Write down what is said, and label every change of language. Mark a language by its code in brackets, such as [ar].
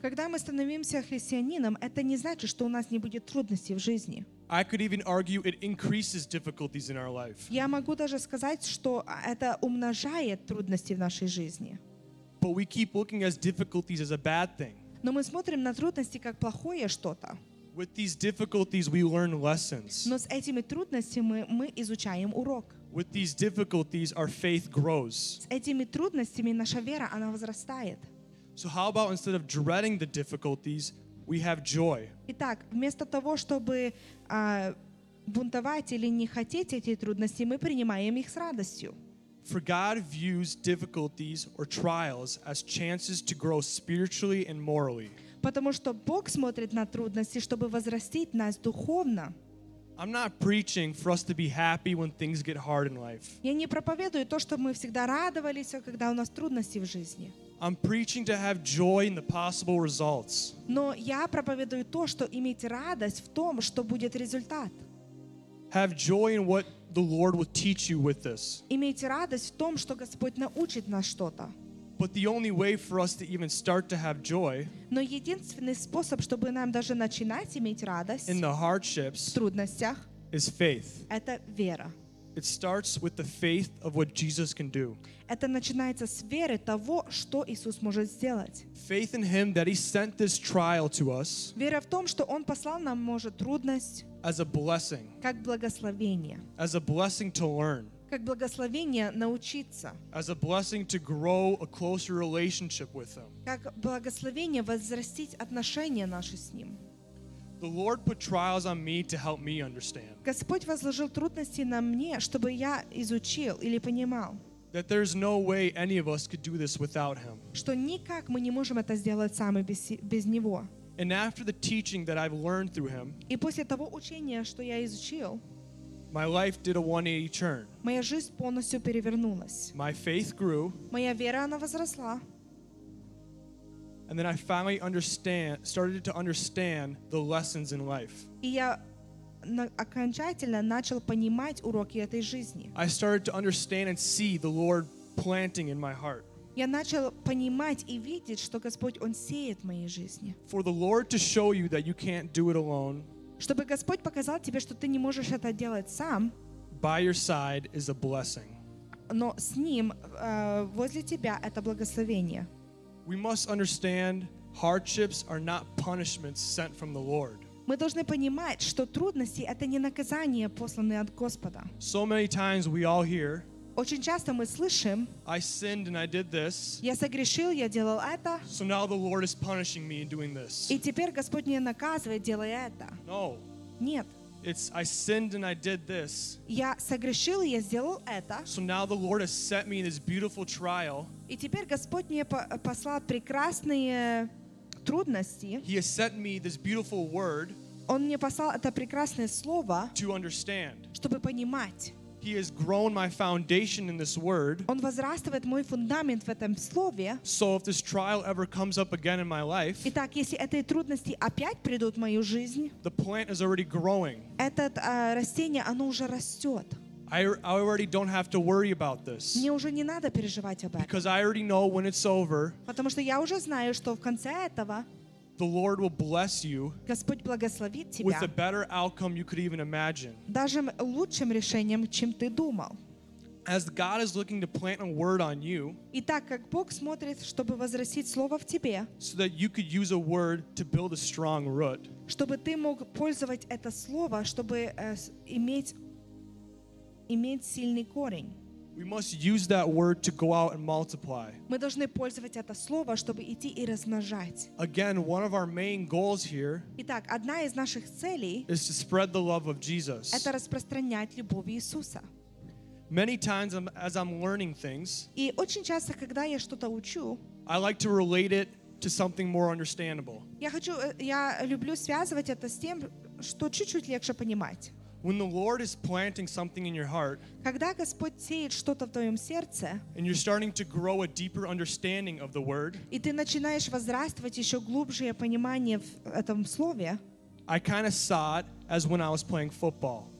[ru] Когда мы становимся христианином, это не значит, что у нас не будет трудностей в жизни. [en] I could even argue it increases difficulties in our life. [ru] Я могу даже сказать, что это умножает трудности в нашей жизни. [en] But we keep looking at difficulties as a bad thing. [ru] Но мы смотрим на трудности как плохое что-то. [en] With these difficulties, we learn lessons. [ru] Но с этими трудностями мы изучаем урок. [en] With these difficulties, our faith grows. [ru] С этими трудностями наша вера она возрастает. [en] So how about instead of dreading the difficulties, we have joy? [ru] Итак, вместо того чтобы бунтовать или не хотеть эти трудности, мы принимаем их с радостью. [en] For God views difficulties or trials as chances to grow spiritually and morally. [ru] Потому что Бог смотрит на трудности, чтобы возрастить нас духовно. [en] I'm not preaching for us to be happy when things get hard in life. [ru] Я не проповедую то, чтобы мы всегда радовались, когда у нас трудности в жизни. [en] I'm preaching to have joy in the possible results. [ru] Но я проповедую то, что иметь радость в том, что будет результат. [en] Have joy in what the Lord will teach you with this. [ru] Имейте радость в том, что Господь научит нас что-то. [en] But the only way for us to even start to have joy. [ru] Но единственный способ, чтобы нам даже начинать иметь радость. [en] In the hardships. [ru] В трудностях. [en] Is faith. [ru] Это вера. [en] It starts with the faith of what Jesus can do. [ru] Это начинается с веры того, что Иисус может сделать. [en] Faith in Him that He sent this trial to us. [ru] Вера в том, что Он послал нам может трудность. [en] As a blessing. [ru] Как благословение. [en] As a blessing to learn. [ru] Как благословение научиться. [en] As a blessing to grow a closer relationship with Him. [ru] Как благословение возрастить отношения наши с Ним. [en] The Lord put trials on me to help me understand. [ru] Господь возложил трудности на мне, чтобы я изучил или понимал. [en] That there's no way any of us could do this without Him. [ru] Что никак мы не можем это сделать сами без Него. [en] And after the teaching that I've learned through Him, [ru] и после того учения, что я изучил, [en] my life did a 180 turn. [ru] Моя жизнь полностью перевернулась. [en] My faith grew. [ru] Моя вера она возросла. [en] And then I finally started to understand the lessons in life. [ru] И я окончательно начал понимать уроки этой жизни. [en] I started to understand and see the Lord planting in my heart. [ru] Я начал понимать и видеть, что Господь Он сеет в моей жизни. [en] For the Lord to show you that you can't do it alone. [ru] Чтобы Господь показал тебе, что ты не можешь это делать сам. [en] By your side is a blessing. [ru] Но с Ним возле тебя это благословение. [en] We must understand hardships are not punishments sent from the Lord. [ru] Мы должны понимать, что трудности это не наказание, посланное от Господа. [en] So many times we all hear. [ru] Очень часто мы слышим. [en] I sinned and I did this. [ru] Я согрешил, я делал это. [en] So now the Lord is punishing me in doing this. [ru] И теперь Господь меня наказывает, делая это. [en] No. [ru] Нет. [en] It's I sinned and I did this. [ru] Я согрешил и я сделал это. [en] So now the Lord has set me in this beautiful trial. [ru] И теперь Господь мне послал прекрасные трудности. [en] He has sent me this beautiful word. [ru] Он мне послал это прекрасное слово. [en] To understand. [ru] Чтобы понимать. [en] He has grown my foundation in this word. [ru] Он возрастает мой фундамент в этом слове. [en] So if this trial ever comes up again in my life, [ru] итак, если эти трудности опять придут в мою жизнь, [en] the plant is already growing. [ru] Этот растение, оно уже растет. [en] I already don't have to worry about this. [ru] Мне уже не надо переживать об этом. [en] Because I already know when it's over. [ru] Потому что я уже знаю, что в конце этого. [en] The Lord will bless you. [ru] Господь благословит тебя. [en] With a better outcome you could even imagine. [ru] Даже лучшим решением, чем ты думал. [en] As God is looking to plant a word on you. [ru] Итак, как Бог смотрит, чтобы возрастить слово в тебе. [en] So that you could use a word to build a strong root. [ru] Чтобы ты мог пользоваться это слово, чтобы иметь сильный корень. [en] We must use that word to go out and multiply. [ru] Мы должны пользоваться это слово, чтобы идти и размножать. [en] Again, one of our main goals here. [ru] Итак, одна из наших целей. [en] Is to spread the love of Jesus. [ru] Это распространять любовь Иисуса. [en] Many times, as I'm learning things. [ru] И очень часто, когда я что-то учу. [en] I like to relate it to something more understandable. [ru] Я люблю связывать это с тем, что чуть-чуть легче понимать. [en] When the Lord is planting something in your heart, [ru] когда Господь сеет что-то в твоем сердце, [en] and you're starting to grow a deeper understanding of the word, [ru] и ты начинаешь возрастать еще глубже понимание в этом слове, [en] I kind of saw it as when I was playing football.